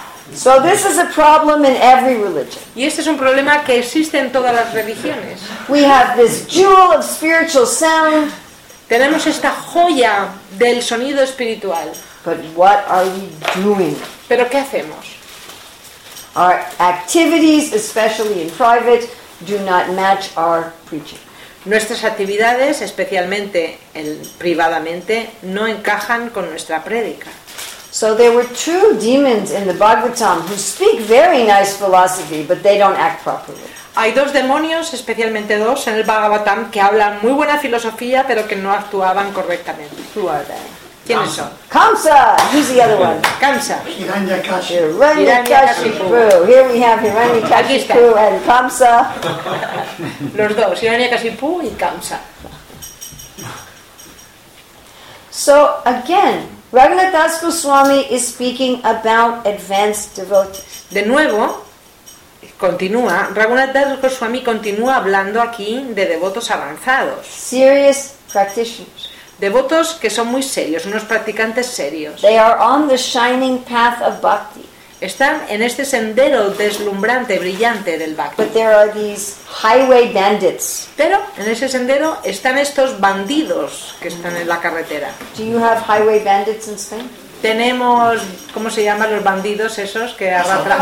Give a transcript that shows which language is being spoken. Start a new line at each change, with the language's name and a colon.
English: So this is a problem in every religion.
Spanish: Y este es un problema que existe en todas las religiones.
English: We have this jewel of spiritual sound.
Spanish: Tenemos esta joya del sonido espiritual.
English: But what are we doing?
Spanish: ¿Pero qué hacemos?
English: Our activities, especially in private, do not match our preaching.
Spanish: Nuestras actividades, especialmente privadamente, no encajan con nuestra prédica.
English: So there were two demons in the Bhagavatam who speak very nice philosophy, but they don't act properly.
Spanish: Hay dos demonios, especialmente dos, en el Bhagavatam que hablan muy buena filosofía, pero que no actuaban correctamente.
English: Who are they?
Spanish: ¿Quiénes son?
English: Kamsa. Who's the other one?
Spanish: Kamsa.
English: Hiranyakashipu. Hiranyakashipu. Here we have Hiranyakashipu and Kamsa.
Spanish: Los dos, Hiranyakashipu y Kamsa.
English: So again, Raghunath Das Goswami is speaking about advanced devotees.
Spanish: De nuevo, continúa, Raghunath Das Goswami continúa hablando aquí de devotos avanzados.
English: Serious practitioners.
Spanish: Devotos que son muy serios, unos practicantes serios.
English: They are on the shining path of bhakti.
Spanish: Están en este sendero deslumbrante, brillante del bhakti.
English: But there are these highway bandits.
Spanish: Pero en ese sendero están estos bandidos que están en la carretera.
English: Do you have highway bandits in Spain?
Spanish: Tenemos, ¿cómo se llaman los bandidos esos que arrastran?